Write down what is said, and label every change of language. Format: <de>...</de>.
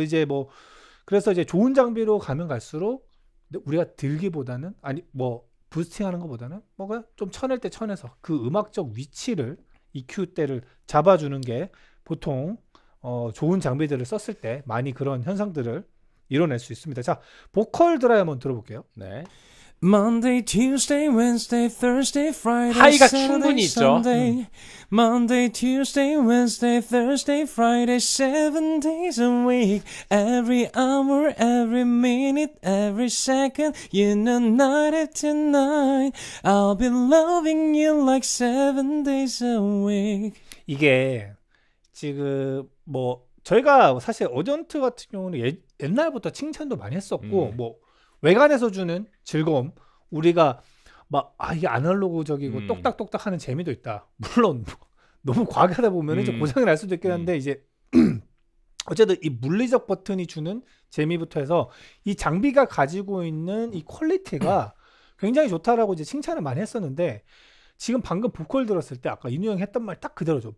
<ko>이제 뭐 그래서 이제 좋은 장비로 가면 갈수록 우리가 들기보다는 아니 뭐 부스팅하는 것보다는 뭐가 좀 쳐낼 때 쳐내서 그 음악적 위치를 EQ 때를 잡아주는 게 보통 좋은 장비들을 썼을 때 많이 그런 현상들을 이뤄낼 수 있습니다. 자, 보컬 드라이 한번 들어볼게요.</ko> <en>Monday, Tuesday, Wednesday, Thursday, Friday,</en> <ko>하이가</ko> <en>Saturday,</en> <ko>충분히 있죠.</ko> <en>Sunday. Monday, Tuesday, Wednesday, Thursday, Friday, 7 days a week. Every hour, every minute, every second, you know, night after night. I'll be loving you like 7 days a week.</en> <ko>이게 지금 뭐 저희가 사실 어전트 같은 경우는 옛날부터 칭찬도 많이 했었고 뭐 외관에서 주는 즐거움, 우리가 막, 아, 이게 아날로그적이고 똑딱똑딱 하는 재미도 있다. 물론, 너무 과하게 하다 보면 이제 고장이 날 수도 있긴 한데, 이제, 어쨌든 이 물리적 버튼이 주는 재미부터 해서 이 장비가 가지고 있는 이 퀄리티가 굉장히 좋다라고 이제 칭찬을 많이 했었는데, 지금 방금 보컬 들었을 때 아까 인우 형 했던 말딱 그대로죠.</ko>